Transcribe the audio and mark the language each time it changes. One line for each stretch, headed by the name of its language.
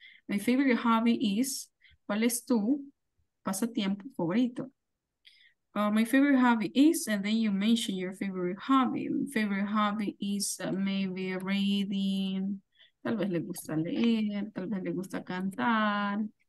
English: My favorite hobby is,
Spanish: ¿cuál es tu pasatiempo favorito?
English: My favorite hobby is, and then you mention your favorite hobby. My favorite hobby is maybe reading.
Spanish: Tal vez le gusta leer, tal vez le gusta cantar.